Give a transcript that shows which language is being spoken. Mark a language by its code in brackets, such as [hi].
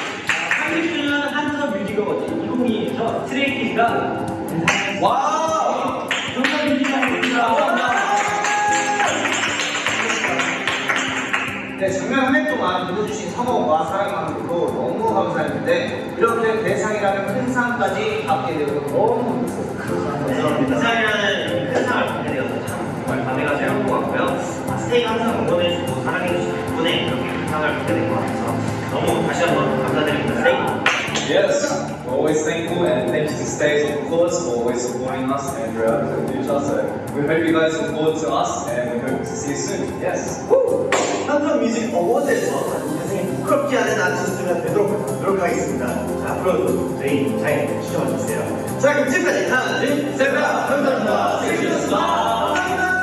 [ko] 30주년 한터 뮤직 어워즈 2022에서 스트레이 키즈가 와 주신 성원과 사랑만으로 너무 감사했는데 이렇게 대상이라는 큰 상까지 받게 되어서 너무 감사합니다. 대상이라는 큰 상을 받게 되어서 참 정말 감회가 되는 것 같고요. 스테이 항상 응원해주고 사랑해주신 덕분에 이렇게 큰 상을 받게 된 것 같아서 너무 다시 한번 감사드립니다. 스테이. [en] Yes, always thankful and thanks to Stays of course for always supporting us and we are to introduce us. We hope you guys look forward to us and we hope to see you soon. Yes. Woo! [ko] 한터 뮤직 어워드에서 부끄럽지 않은 아티스트가 되도록 노력하겠습니다. 자, 앞으로도 저희 잘 시청해주세요. 자, 그럼 지금까지 하나, 둘, 셋, 넷, 감사합니다. 감사합니다.